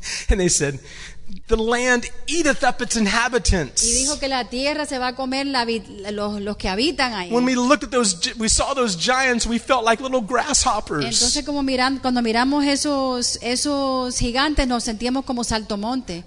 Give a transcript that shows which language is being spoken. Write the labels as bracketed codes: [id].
[en] And they said, "The land eateth up its inhabitants." [es] Y dijo que la tierra se va a comer los que habitan ahí. [en] When we looked at those, we saw those giants. We felt like little grasshoppers. [es] Entonces, como mirando, cuando miramos esos gigantes, nos sentíamos como saltamontes.